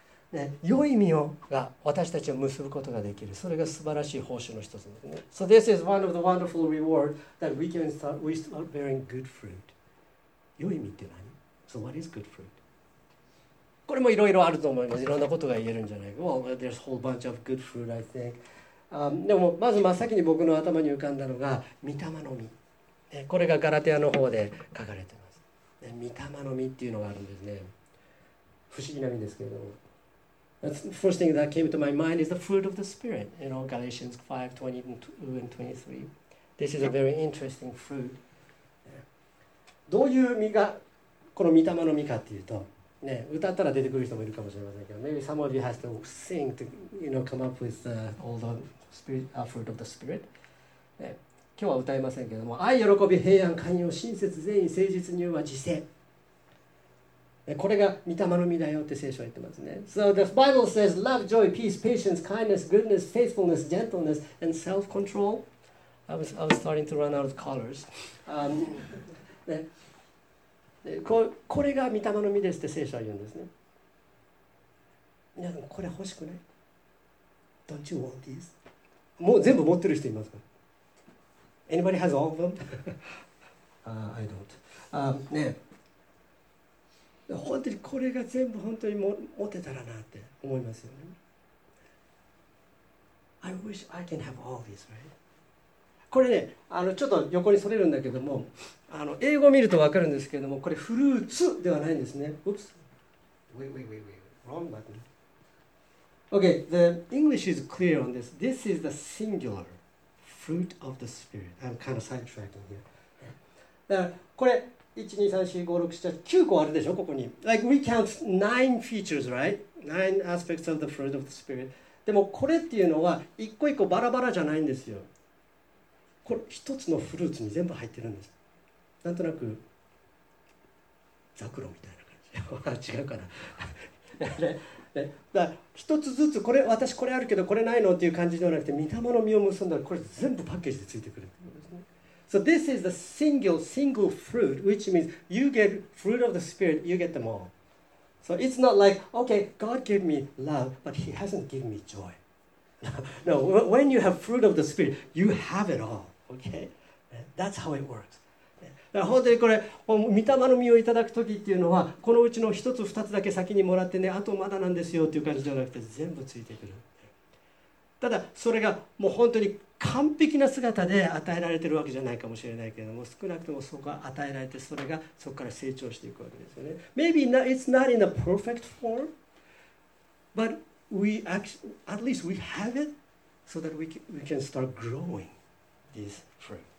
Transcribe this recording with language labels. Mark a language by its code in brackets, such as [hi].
[ja] ね、良い実をが私たちを結ぶことができる。それが素晴らしい報酬の一つですね。 [en] So this is one of the wonderful reward that we can start, we start bearing good fruit. [ja] 良い実って何？ [en] So what is good fruit? [ja] これもいろいろあると思います。いろんなことが言えるんじゃないか。 [en] Well, there's a whole bunch of good fruit, I think. [ja] でも、まず真っ先に僕の頭に浮かんだのが、御霊の実、ね。これがガラテヤの方で書かれています、ね。御霊の実っていうのがあるんですね。不思議な実ですけれども。 [en] That's the first thing that came to my mind is the fruit of the Spirit. You know, Galatians 5, 22 and 23. This is a very interesting fruit.、ね、 [ja] どういう実が、この御霊の実かっていうと、ね、歌ったら出てくる人もいるかもしれませんけど、 [en] maybe some of you has to sing to, you know, come up with the old spirit, fruit of the spirit.、 [ja] ね、今日は歌いませんけども、愛、喜び、平安、寛容、親切、善意、誠実、柔和、自制、ね。これが御霊の実だよって聖書は言ってますね。 [en] So the Bible says, love, joy, peace, patience, kindness, goodness, faithfulness, gentleness, and self-control. I was starting to run out of colors. [ja] ね。これが御霊の実ですって聖書は言うんですね。皆さんこれ欲しくない？ [en] Don't you want these? [ja] もう全部持ってる人いますか？ [en] Anybody has all of them? I don't、ね、 [ja] 本当にこれが全部本当に持てたらなって思いますよね。 [en] I wish I can have all these, right? [ja] これね、ちょっと横にそれるんだけども、英語を見ると分かるんですけれども、これフルーツではないんですね。 [en] Oops. Wait. Wrong button. Okay, the English is clear on this. This is the singular fruit of the spirit. I'm kind of sidetracking here. [ja] だからこれ、1、2、3、4、5、6、7、8、9個あるでしょ、ここに。 [en] Like we count nine features, right? Nine aspects of the fruit of the spirit. [ja] でもこれっていうのは、一個一個バラバラじゃないんですよ。これ一つのフルーツに全部入ってるんです。なんとなくザクロみたいな感じ。違うかな。だから一つずつ、これ私これあるけどこれないのっていう感じではなくて、御霊の実を結んだらこれ全部パッケージでついてくるってことですね。 [en] So this is the single fruit, which means you get fruit of the spirit, you get them all. So it's not like, okay, God gave me love, but He hasn't given me joy. No, when you have fruit of the Spirit, you have it all. Okay, that's how it works. [ja] 本当にこれ、御霊の実をいただくときっていうのは、このうちの一つ二つだけ先にもらってね、あとまだなんですよっていう感じじゃなくて、全部ついてくる。ただそれがもう本当に完璧な姿で与えられてるわけじゃないかもしれないけれども、少なくともそこは与えられて、それがそこから成長していくわけですよね。 [en] Maybe it's not in a perfect form, but we actually, at least we have it so that we can start growing this fruit.